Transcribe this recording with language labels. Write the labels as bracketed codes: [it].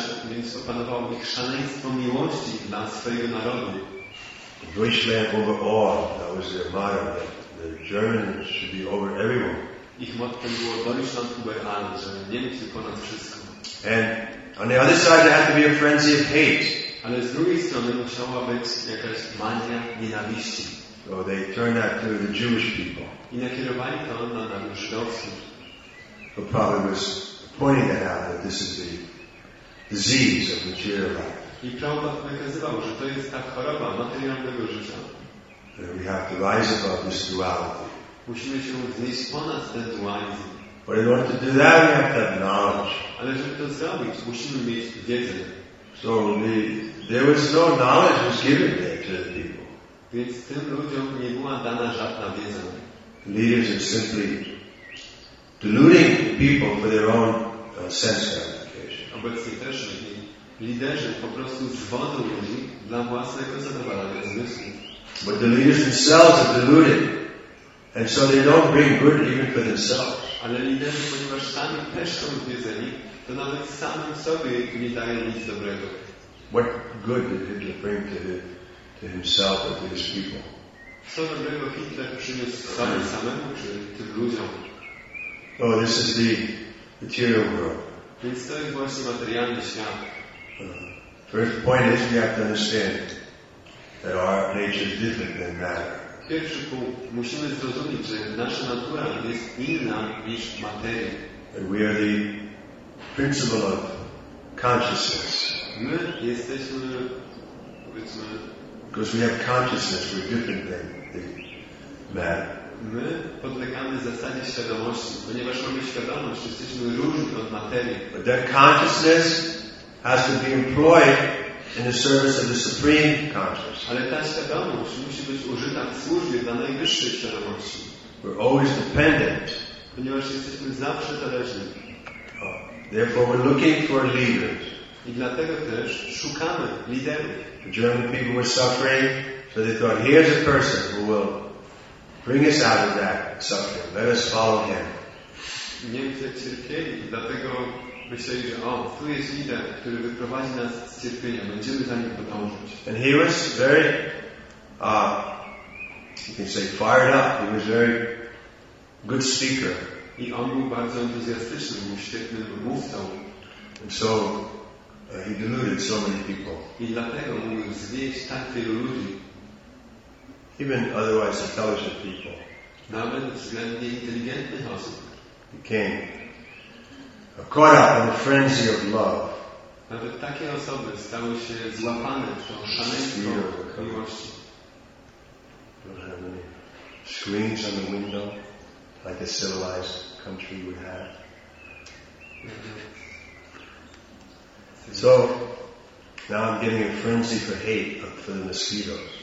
[pl] Więc opanowało ich szaleństwo miłości dla swojego narodu. [en] Deutschland over all, that was their motto, that the Germans should be over everyone. [pl] Ich motto było [de] Deutschland über alles, [pl] że Niemcy ponad wszystko. [en] And on the other side, there had to be a frenzy of hate. [pl] Ale z drugiej strony musiała być jakaś mania nienawiści. [en] So they turned that to the Jewish people. [pl] I nakierowali to na narodu żydowski. [en] The problem was pointing that out, that this is the disease of material life. [pl] I prawda wykazywał, że to jest ta choroba materialnego życia. [en] We have to rise above this duality. [pl] Musimy się wznieść ponad ten dualizm. [en] But in order to do that, we have to have knowledge. [pl] Ale żeby to zrobić, musimy mieć wiedzę. [en] So there was no knowledge was given there to the people. [pl] Więc tym ludziom nie była dana żadna wiedza. [en] Leaders are simply deluding the people for their own sense gratification. [pl] Obecnie też ludzi. Liderzy po prostu zwodzą ludzi dla własnego zadowolenia zmysłu. [en] But the leaders themselves are deluded, and so they don't bring good even for themselves. [pl] Ale liderzy, ponieważ sami też są zwiedzeni, to nawet samym sobie nie dają nic dobrego. [en] What good did Hitler bring to himself or to his people? [pl] Co dobrego Hitler przyniósł sobie samemu czy tym ludziom? [en] Oh, this is the material world. [pl] Więc to jest właśnie materialny świat. [en] First point is we have to understand that our nature is different than matter. [pl] Pierwszy punkt. Musimy zrozumieć, że nasza natura jest inna niż materia. [en] And we are the principle of consciousness. [pl] My jesteśmy, powiedzmy, [en] because we have consciousness, we're different than the matter. [pl] My podlegamy zasadzie świadomości, ponieważ mamy świadomość, jesteśmy różni od materii. [en] But that consciousness has to be employed in the service of the supreme consciousness. [pl] Ale ta świadomość musi być użyta w służbie dla najwyższej świadomości. [en] We're always dependent. [pl] Ponieważ jesteśmy zawsze zależni. [en] Therefore, we're looking for leaders. [pl] I dlatego też szukamy liderów. [en] The German people were suffering, so they thought, here's a person who will bring us out of that suffering. Let us follow him. [pl] Niemcy cierpieli, dlatego myśleli, że o, tu jest lider, który wyprowadzi nas z cierpienia. Będziemy za nim podążać. [en] And he was very, you can say, fired up. He was very good speaker. [pl] I on był bardzo entuzjastyczny, był świetny mówcą. [en] And so he deluded so many people. [pl] I dlatego mógł zwieść tak wielu ludzi. [en] Even otherwise intelligent people. [pl] Nawet względnie inteligentnych osób. [en] Became caught up in a frenzy of love. [pl] Nawet takie osoby stały się złapane w tą szaleństwo miłości. [en] Don't have any screens on the window like a civilized country would have. So now I'm getting a frenzy for hate for the mosquitoes.